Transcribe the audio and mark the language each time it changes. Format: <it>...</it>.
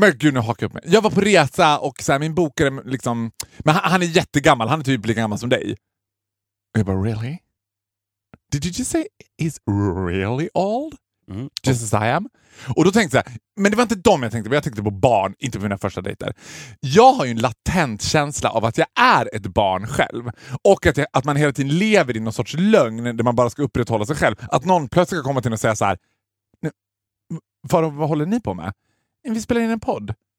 <sv>Men gud, nu hakar jag upp mig. Jag var på resa och så här, min bokare liksom... Men han är jättegammal. Han är typ lika gammal som dig. Och jag bara, really?</sv> <en>Did you just say he's really old? Just as I am?</en> <sv>Och då tänkte jag, men det var inte dem jag tänkte på. Jag tänkte på barn, inte på mina första dejter. Jag har ju en latent känsla av att jag är ett barn själv. Och att man hela tiden lever i någon sorts lögn där man bara ska upprätthålla sig själv. Att någon plötsligt ska komma till och säga så här, Faro, vad håller ni på med? Vi spelar in en podd.</sv>